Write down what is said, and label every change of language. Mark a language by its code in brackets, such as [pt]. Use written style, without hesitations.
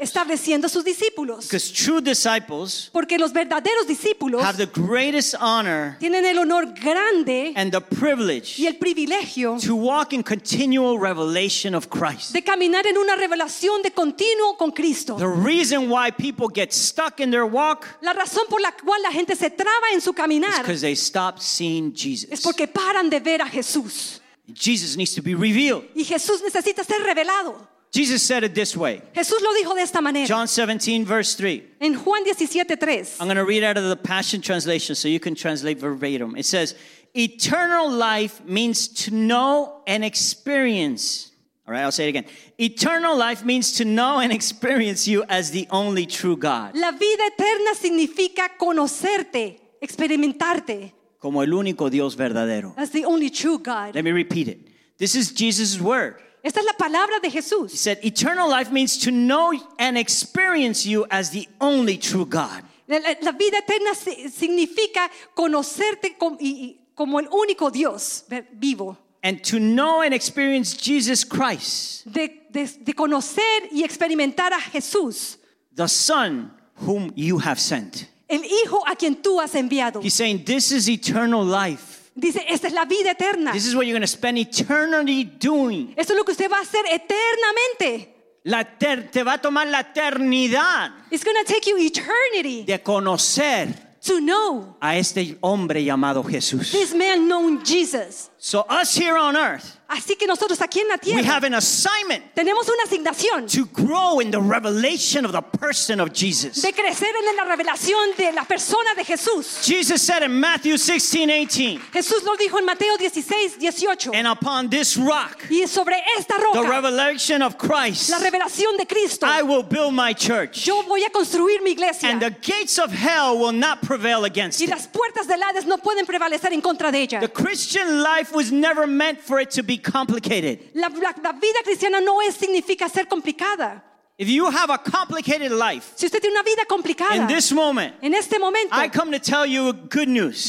[es] Estableciendo a sus discípulos. [en] Because true disciples. [es] Porque los verdaderos discípulos. [en] Have the greatest honor. [es] Tienen el honor grande. [en] And the privilege. [es] Y el privilegio. [en] To walk in continual revelation of Christ. [es] De caminar en una revelación de continuo con Cristo. [en] The reason why people get stuck in their walk. [es] La razón por la cual la gente se traba en su caminar. [en] Is because they stop seeing Jesus. [es] Es porque paran de ver a Jesús. [en] Jesus needs to be revealed. [es] Y Jesús necesita ser revelado. [en] Jesus said it this way. [es] Jesús lo dijo de esta manera. [en] John 17, verse 3. [es] En Juan 17, 3. [en] I'm going to read out of the Passion Translation so you can translate verbatim. It says, eternal life means to know and experience. All right, I'll say it again. Eternal life means to know and experience you as the only true God. [es] La vida eterna significa conocerte, experimentarte. Como el único Dios verdadero. [en] That's the only true God. Let me repeat it. This is Jesus' word. [es] Esta es la palabra de Jesús. [en] He said, eternal life means to know and experience you as the only true God. [es] La vida eterna significa conocerte como el único Dios vivo. [en] And to know and experience Jesus Christ. [es] De conocer y experimentar a Jesús. [en] The Son whom you have sent. [es] El hijo a quien tú has enviado. [en] He's saying, this is eternal life. [es] Dice, esta es la vida eterna. [en] This is what you're going to spend eternity doing. [es] Esto es lo que usted va a hacer eternamente. Te va a tomar la eternidad. [en] It's going to take you eternity. [es] De conocer. [en] To know. [es] A este hombre llamado Jesús. [en] This man known Jesus. So us here on earth. [es] Así que nosotros aquí en la tierra. [en] We have an assignment. [es] Tenemos una asignación. [en] To grow in the revelation of the person of Jesus. [es] De crecer en la revelación de la persona de Jesús. [en] Jesus said in Matthew 16, 18. [es] Jesús lo dijo en Mateo 16, 18. [en] And upon this rock. [es] Y sobre esta roca. [en] The revelation of Christ. [es] La revelación de Cristo. [en] I will build my church. [es] Yo voy a construir mi iglesia. [en] And the gates of hell will not prevail against it. [es] Y las puertas del Hades no pueden prevalecer en contra de ella. [en] The Christian life was never meant for it to be complicated. [es] La vida cristiana no es significa ser complicada. [en] If you have a complicated life, [es] si usted tiene una vida complicada, [en] in this moment, [es] en este momento, [en] I come to tell you good news.